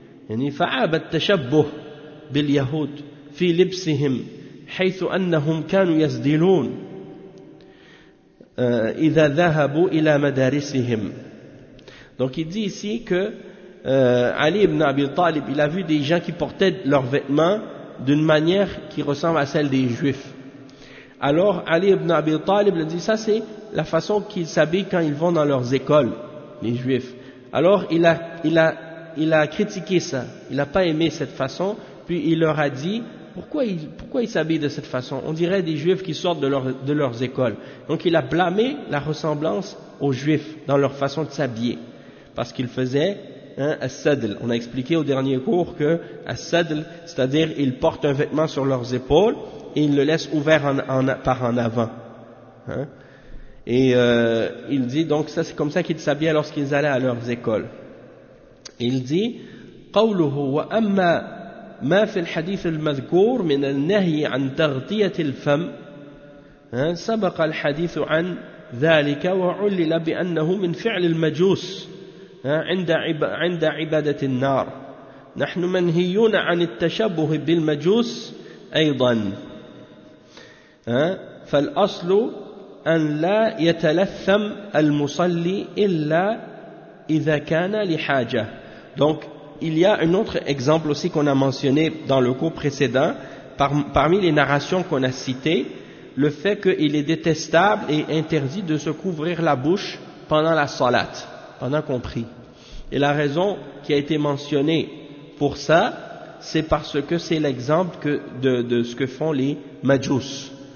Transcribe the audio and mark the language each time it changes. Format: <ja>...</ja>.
<ar>يعني فعاب التشبه باليهود في لبسهم حيث أنهم كانوا يزدلون إذا ذهبوا إلى مدارسهم.</ar> <fr>Donc il dit ici que Ali ibn Abi Talib, il a vu des gens qui portaient leurs vêtements d'une manière qui ressemble à celle des juifs. Alors Ali ibn Abi Talib le dit, ça c'est la façon qu'ils s'habillent quand ils vont dans leurs écoles, les juifs. Alors il a critiqué ça, il n'a pas aimé cette façon, puis il leur a dit, pourquoi ils s'habillent de cette façon? On dirait des juifs qui sortent de leurs écoles. Donc il a blâmé la ressemblance aux juifs dans leur façon de s'habiller, parce qu'ils faisaient un as-sadl. On a expliqué au dernier cours que as-sadl, c'est-à-dire ils portent un vêtement sur leurs épaules et ils le laissent ouvert en avant. Hein? Et il dit donc ça c'est comme ça qu'ils s'habillaient lorsqu'ils allaient à leurs écoles. Il dit</fr> <ar>قوله وأما ما في الحديث المذكور من النهي عن تغطية الفم سبق الحديث عن ذلك وعلل بأنه من فعل المجوس عند عبادة النار. نحن منهيون عن التشبه بالمجوس أيضا. فالأصل أن لا يتلثم المصلي إلا إذا كان لحاجة.</ar> <fr>Donc il y a un autre exemple aussi qu'on a mentionné dans le cours précédent parmi les narrations qu'on a citées, le fait qu'il est détestable et interdit de se couvrir la bouche pendant la salat, pendant qu'on prie. Et la raison qui a été mentionnée pour ça, c'est parce que c'est l'exemple de ce que font les majous.</fr>